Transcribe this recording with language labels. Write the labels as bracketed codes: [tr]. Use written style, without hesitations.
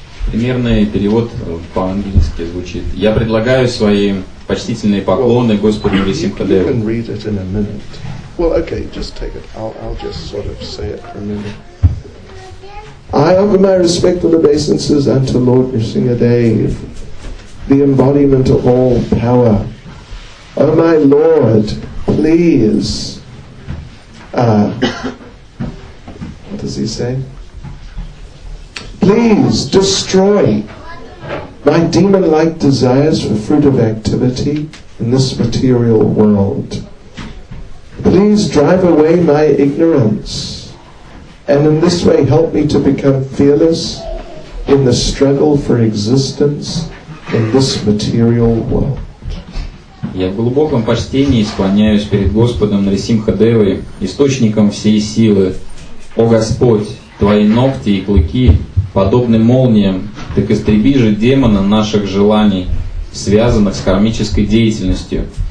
[ru] Примерный перевод по-английски звучит. Я предлагаю свои почтительные поклоны Господу Нрисимхадеву. [en] You can read it in a minute. Well, okay, just take it. I'll just sort of say it for a minute. I offer my respectful obeisances unto Lord Nrisimhadeva, the embodiment of all power. O my Lord, please. What does he say? Please destroy my demon-like desires for fruit of activity in this material world. Please drive away my ignorance, and in this way help me to become fearless in the struggle for existence in this material world. [ru] Я в глубоком почтении склоняюсь перед Господом Нрисимхадевой, источником всей силы. О Господь, Твои ногти и клыки, подобны молниям, так истреби же демона наших желаний, связанных с кармической деятельностью.